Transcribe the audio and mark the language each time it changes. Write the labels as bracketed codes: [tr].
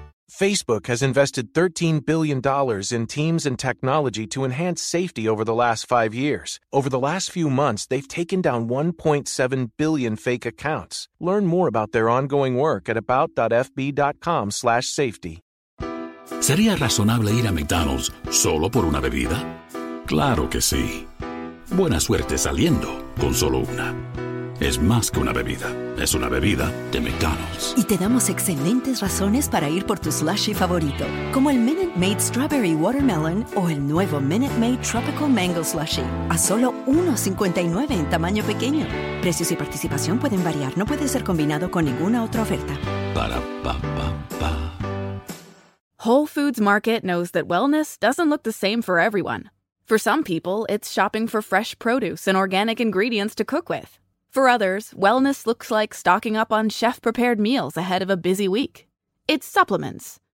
[en] Facebook has invested $13 billion in teams and technology to enhance safety over the last 5 years. Over the last few months, they've taken down 1.7 billion fake accounts. Learn more about their ongoing work at about.fb.com/safety. [es] ¿Sería razonable ir a McDonald's solo por una bebida? Claro que sí. Buena suerte saliendo con solo una. Es más que una bebida. Es una bebida de McDonald's. Y te damos excelentes razones para ir por tu slushy favorito, como el Minute Maid Strawberry Watermelon o el nuevo Minute Maid Tropical Mango Slushy. A solo $1.59 en tamaño pequeño. Precios y participación pueden variar. No puede ser combinado con ninguna otra oferta. Ba-da-ba-ba-ba. [en] Whole Foods Market knows that wellness doesn't look the same for everyone. For some people, it's shopping for fresh produce and organic ingredients to cook with. For others, wellness looks like stocking up on chef-prepared meals ahead of a busy week. It's supplements.